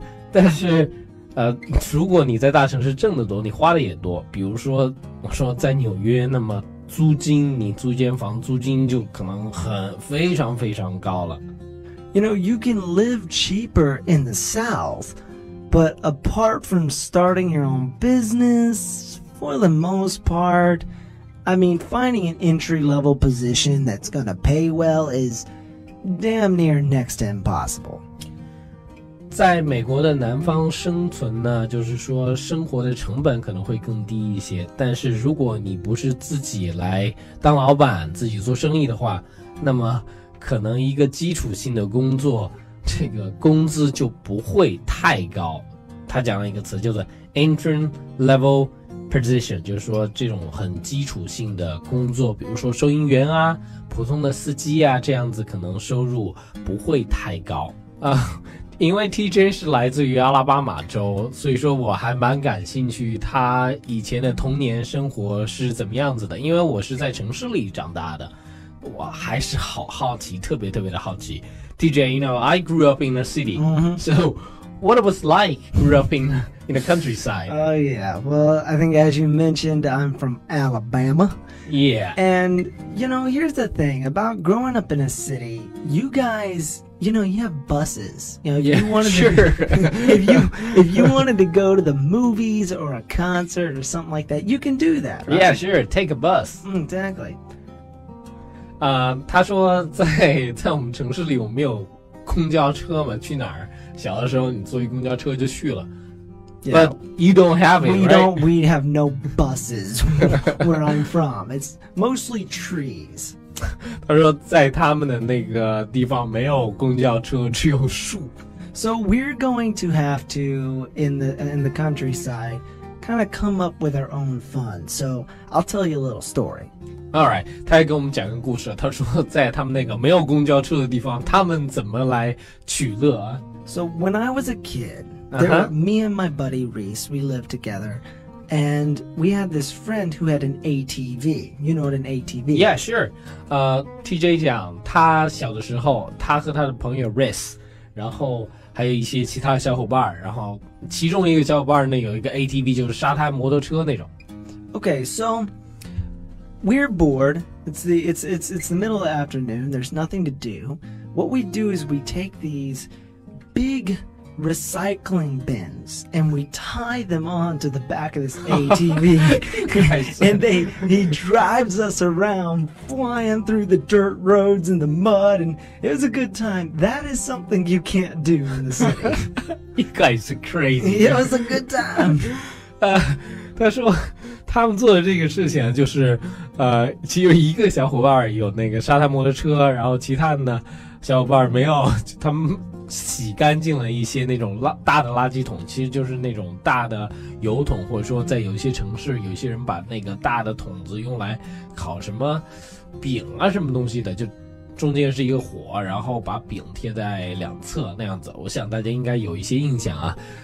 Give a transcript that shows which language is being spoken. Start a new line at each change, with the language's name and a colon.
Chinese: 但是如果你在大城市挣得多，你花的也多。比如说，我说在纽约，那么租金，你租间房租金就可能很非常非常高了。
English: You know, you can live cheaper in the South, but apart from starting your own business, for the most part, I mean, finding an entry level position that's gonna pay well is damn near next to impossible.
Chinese: 在美国的南方生存呢，就是说生活的成本可能会更低一些，但是如果你不是自己来当老板自己做生意的话，那么可能一个基础性的工作这个工资就不会太高。他讲了一个词叫做
English: entry level position,
Chinese: 就是说这种很基础性的工作，比如说收银员啊，普通的司机啊，这样子可能收入不会太高啊。因为 TJ 是来自于阿拉巴马州，所以说我还蛮感兴趣他以前的童年生活是怎么样子的，因为我是在城市里长大的，我还是好好奇，特别特别的好奇。
English: TJ, you know, I grew up in the city, so what it was like grew up in the countryside? Oh yeah, well, I think as you mentioned, I'm from Alabama. Yeah. And, you know, here's the thing about growing up in a city, you guysYou know, you have buses. You know, if you wanted to go to the movies or a concert or something like that, you can do that, right? Yeah, sure. Take a bus. Exactly.
Chinese: 他说在我们城市里我没有公交车嘛，去哪儿？小的时候你坐一公交车就去了。
English: Yeah. But you don't have it, right? We have no buses where I'm from. It's mostly trees.
Chinese: 他说在他们的那个地方没有公交车，只有树。
English: So we're going to have to, in the countryside, kind of come up with our own fun. So I'll tell you a little story.
Chinese: All right, 他还给我们讲个故事。他说在他们那个没有公交车的地方，他们怎么来取乐啊？
English: So when I was a kid, there were me and my buddy Reese, we lived together. And we had this friend who had an ATV. You know what an ATV is? Yeah, sure.
Chinese: TJ 讲他小的时候，他和他的朋友 Riz， 然后还有一些其他小伙伴，然后其中一个小伙伴呢有一个 ATV， 就是沙滩摩托车那种。
English: Okay, so we're bored. It's the middle of the afternoon. There's nothing to do. What we do is we take these big recycling bins, and we tie them on to the back of this ATV. And he drives us around, flying through the dirt roads and the mud, and it was a good time. That is something you can't do in the city. You guys are crazy. It was a good time.
Chinese: 他说他们做的这个事情就是只有一个小伙伴有那个沙滩摩托车，然后其他的小伙伴没有，他们洗干净了一些那种大的垃圾桶，其实就是那种大的油桶，或者说在有一些城市有些人把那个大的桶子用来烤什么饼啊什么东西的，就中间是一个火，然后把饼贴在两侧那样子，我想大家应该有一些印象啊。